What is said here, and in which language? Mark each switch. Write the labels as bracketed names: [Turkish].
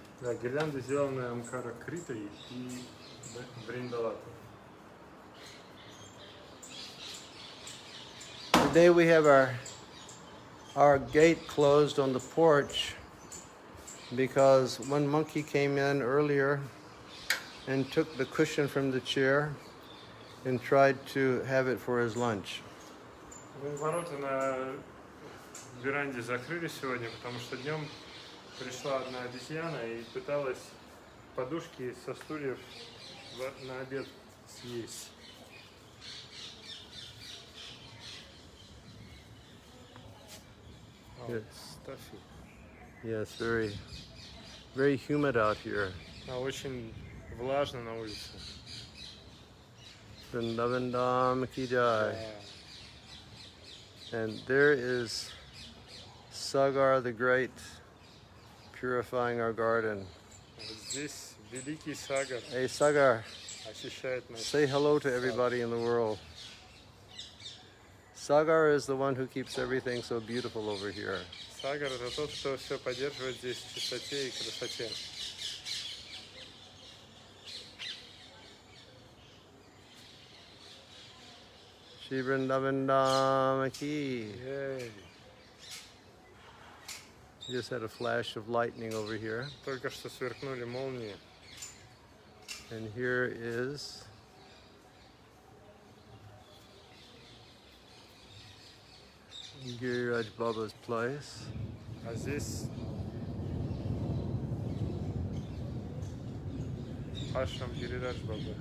[Russian] Да, гирлянды сделаны Омкаракритой и Вриндалатой. [English] Today we have our gate closed on the porch because one monkey came in earlier and took the cushion from the chair and tried to have it for his lunch. [Russian] Ворота на веранде закрыли сегодня, потому что днем пришла одна обезьяна и пыталась подушки со стульев на обед съесть. [English] Yes, yeah, very, very humid out here. [Russian] Очень влажно на улице. [Hindi] Vrindavan Dham ki jai. [English] And there is Sagar the Great purifying our garden. This [Russian] великий [English] Sagar. Hey Sagar. [Russian] Очищает нас. [English] Say hello to everybody in the world. Sagar is the one who keeps everything so beautiful over here. [Russian] Sagar это тот, кто все поддерживает здесь в чистоте и красоте. [English] Shri Vrindavan Dasa Thakura. You just had a flash of lightning over here. [Russian] Только что сверкнули молнии. [English] And here is Giriraj Baba's place. As this Ashram Giriraj Baba.